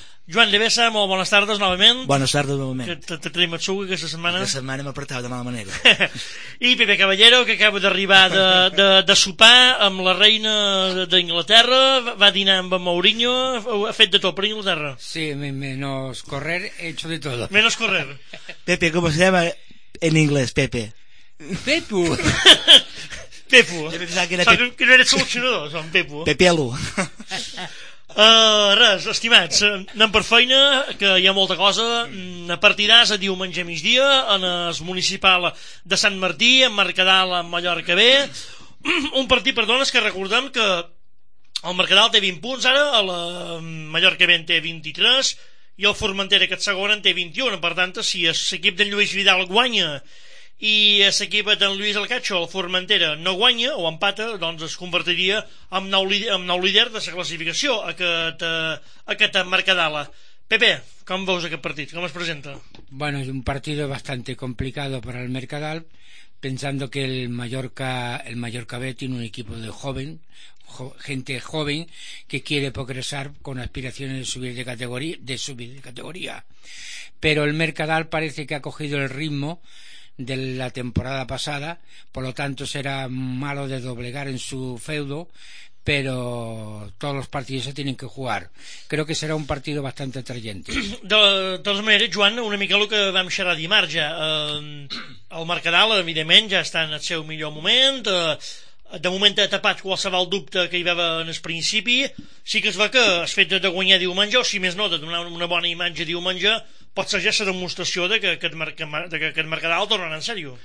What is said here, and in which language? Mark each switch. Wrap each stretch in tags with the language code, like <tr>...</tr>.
<ca>Joan Devesa, molt bones tardes, novament. Bones tardes, novament. Que te traiem el suc aquesta setmana. Aquesta setmana m'apartava de mala manera. I Pepe Caballero, que acaba d'arribar de sopar amb la reina d'Inglaterra, va dinar amb en Mourinho, ha fet de tot per Inglaterra.</ca> <es>Sí, menos correr, he hecho de todo. Menos correr.</es> <ca>Pepe, com es llama en inglès, Pepe? Pepu. Pepu. Que no era solucionador, som Pepu. Pepelo. Res, estimats, anem per feina, que hi ha molta cosa. Partiràs a diumenge migdia en el municipal de Sant Martí, en Mercadal, en Mallorca B. Un partit, perdona, és que recordem que el Mercadal té 20 punts ara, el Mallorca B en té 23 i el Formentera, aquest segon, en té 21. Per tant, si l'equip d'en Lluís Vidal guanya i l'equip d'en Lluís Alcacho, el Formentera, no guanya o empata, doncs es convertiria en nou líder de la classificació aquest Mercadal. Pepe, com veus aquest partit? Com es presenta?</ca> <es>Bueno, es un partido bastante complicado para el Mercadal, pensando que el Mallorca B tiene un equipo de gente joven que quiere progresar con aspiraciones de subir de categoría. Pero el Mercadal parece que ha cogido el ritmo de la temporada pasada, por lo tanto será malo de doblegar en su feudo, pero todos los partidos se tienen que jugar. Creo que será un partido bastante atrayente.</es> <ca>De totes maneres, Joan, una mica el que vam xerrar dimarts ja, el Mercadal evidentment ja està en el seu millor moment, de moment ha tapat qualsevol dubte que hi va en el principi. Sí que es va que has fet de guanyar diumenge, o si més no, de donar una bona imatge diumenge, pot ser ja la demostració de que aquest Mercadal tornarà en sèrio.</ca>